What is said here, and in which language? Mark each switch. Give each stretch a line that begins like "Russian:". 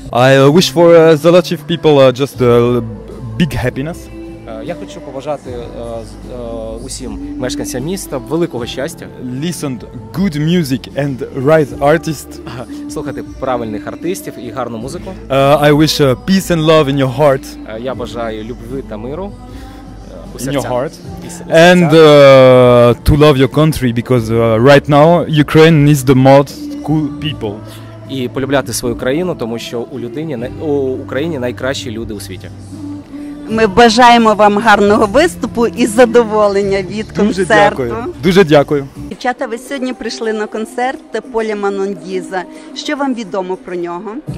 English: I wish for zolochev people just a big happiness.
Ukrainian: Я хочу побажати усім мешканцям міста великого щастя.
English: Listen good music and right artists.
Ukrainian: Слухати правильних артистів і гарну музику.
English: I wish peace and love in your heart.
Ukrainian: Я бажаю любви та миру.
English: In your heart, and to love your country, because right now Ukraine needs the most cool people.
Ukrainian: І полюбляти свою країну, тому що у Україні найкращі люди у світі. Ми бажаємо вам гарного виступу і задоволення від концерту. Дуже дякую. Дуже дякую. Дівчата, ви сьогодні прийшли на концерт Поля Манондіза. Що вам відомо про нього?